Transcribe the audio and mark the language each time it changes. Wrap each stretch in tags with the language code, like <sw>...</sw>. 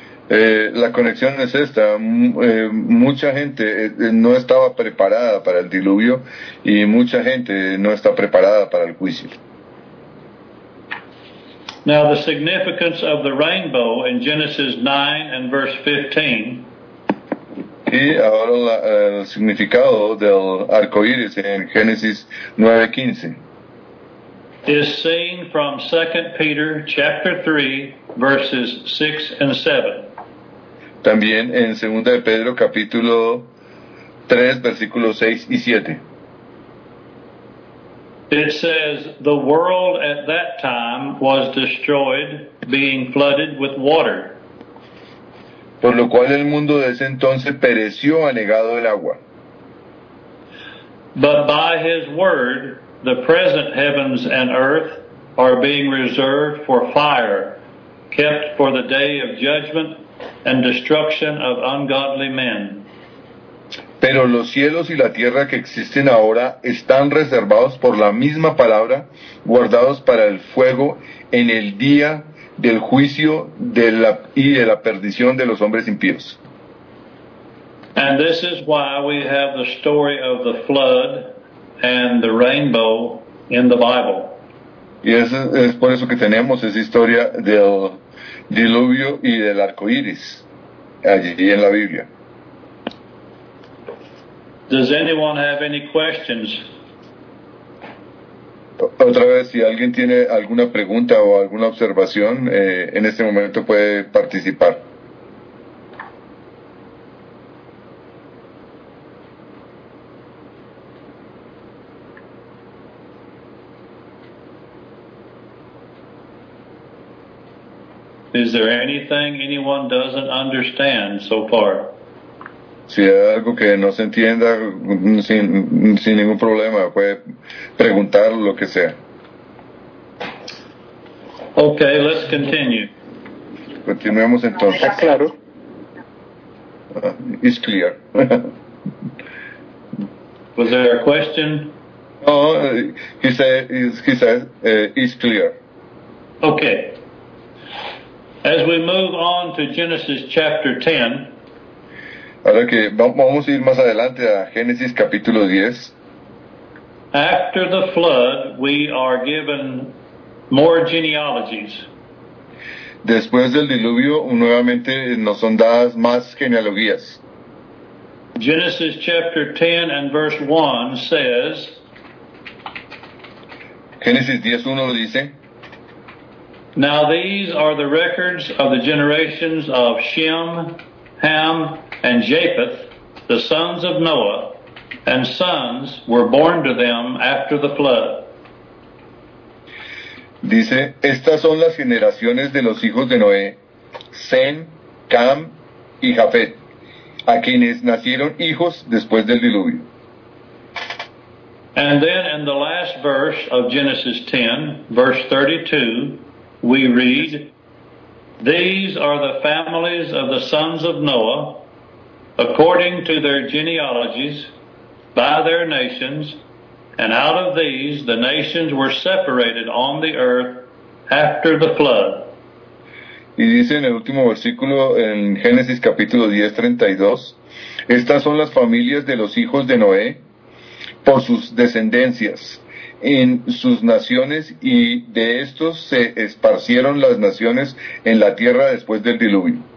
<es>La conexión es esta. Mucha gente no estaba preparada para el diluvio y mucha gente no está preparada para el juicio.</es> <en>Now the significance of the rainbow in Genesis 9 and verse 15.</en> <es>Y ahora el significado del arco iris en Génesis 9:15.</es> <en>Is seen from 2 Peter chapter 3 verses 6 and 7.</en> <es>También en 2 de Pedro, capítulo 3, versículos 6 y 7.</es> <en>It says, the world at that time was destroyed, being flooded with water.</en> <es>Por lo cual el mundo de ese entonces pereció anegado el agua.</es> <en>But by his word, the present heavens and earth are being reserved for fire, kept for the day of judgment, and destruction of ungodly men.</en> <es>Pero los cielos y la tierra que existen ahora están reservados por la misma palabra, guardados para el fuego en el día del juicio de la perdición de los hombres impíos.</es> <en>And this is why we have the story of the flood and the rainbow in the Bible.</en> <es>Y es por eso que tenemos esa historia del diluvio y del arco iris allí en la Biblia.</es> <en>Does anyone have any questions?</en> <es>Otra vez, si alguien tiene alguna pregunta o alguna observación, en este momento puede participar.</es> <en>Is there anything anyone doesn't understand so far?</en> <es>Si hay algo que no se entienda, sin ningún problema, puede preguntar lo que sea.</es> <en>Okay, let's continue.</en> <es>Continuemos entonces. Está claro.</es> <en>It's clear. Was there a question? No, he said, it's clear. Okay. As we move on to Genesis chapter 10,</en> <es>ahora que vamos a ir más adelante a Génesis capítulo 10.</es> <en>After the flood, we are given more genealogies.</en> <es>Después del diluvio, nuevamente nos son dadas más genealogías.</es> <en>Genesis chapter 10 and verse 1 says,</en> <es>Génesis 10:1 lo dice,</es> <en>now these are the records of the generations of Shem, Ham, and Japheth, the sons of Noah, and sons were born to them after the flood.</en> <es>Dice, estas son las generaciones de los hijos de Noé, Sem, Cam, y Japheth, a quienes nacieron hijos después del diluvio.</es> <en>And then in the last verse of Genesis 10, verse 32, we read, these are the families of the sons of Noah, according to their genealogies, by their nations, and out of these the nations were separated on the earth after the flood.</en> <es>Y dice en el último versículo en Génesis capítulo 10:32, estas son las familias de los hijos de Noé, por sus descendencias, en sus naciones, y de estos se esparcieron las naciones en la tierra después del diluvio.</es>